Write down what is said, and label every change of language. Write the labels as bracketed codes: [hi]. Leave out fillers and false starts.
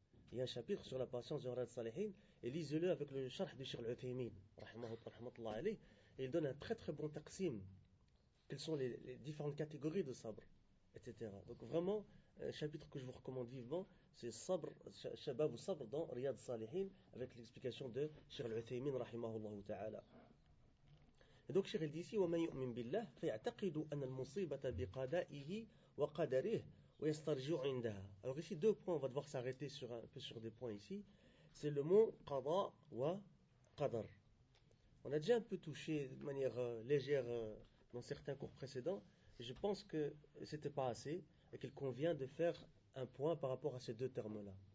[fr] Il y a un chapitre sur la patience de Riyad Salihin, et lisez-le avec le charh de Cheikh Al-Uthaymin, rahmatullah alayh, et il donne un très très bon taqsim. Quelles sont les différentes catégories de sabre, etc. Donc vraiment, un chapitre que je vous recommande vivement, c'est Sabr, Shabab ou Sabr dans Riyad Salihin, avec l'explication de Cheikh Al-Uthaymin, rahimahullah ta'ala. Et donc, Cheikh dit ici, [ar] وَمَنْ يُؤْمِنْ بِاللَّهِ فَيَعْتَقِدُ أَنَّ الْمُصِيبَةَ بِقَدَائِهِ وَقَدَرِهِ وَيَسْتَرْجِعُ عِنْدَهَا. [fr] Alors ici, deux points, on va devoir s'arrêter sur un peu sur des points ici. C'est le mot qada wa qadar. On a déjà un peu touché de manière légère dans certains cours précédents. Je pense que ce n'était pas assez et qu'il convient de faire un point par rapport à ces deux termes-là.